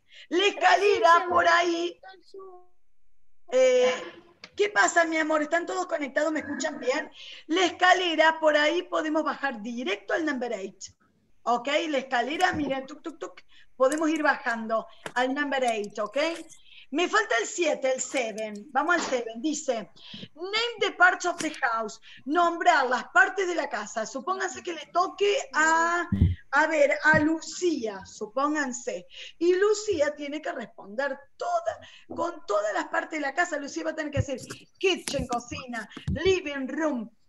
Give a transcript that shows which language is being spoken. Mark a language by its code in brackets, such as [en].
[es] La escalera por ahí. ¿Qué pasa, mi amor? ¿Están todos conectados? ¿Me escuchan bien? La escalera, por ahí podemos bajar directo al number 8. ¿Ok? La escalera, miren, tuc, tuc, tuc. Podemos ir bajando al number 8, ¿ok? Me falta el 7, el 7. Vamos al 7. [en] Dice, name the parts of the house. [es] Nombrar las partes de la casa. Supónganse que le toque a Lucía, supónganse. Y Lucía tiene que responder toda, con todas las partes de la casa. Lucía va a tener que decir kitchen, cocina, living room.